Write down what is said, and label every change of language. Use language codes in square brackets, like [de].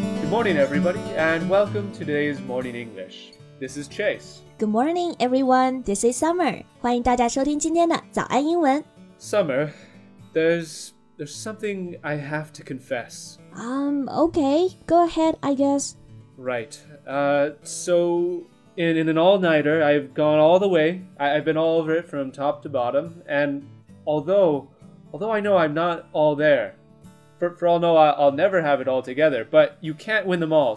[en] morning, everybody, and welcome to today's Morning English. This is Chase. Good morning, everyone. This is Summer. [zh] 欢迎大家收听今天的早安英文。 [en] Summer, there's something I have to confess. Okay. Go ahead, I guess. Right. So, in an all-nighter, I've gone all the way. I've been all over it from top to bottom. And although I know I'm not all there, for all know I'll never have it all together, but you can't win them all.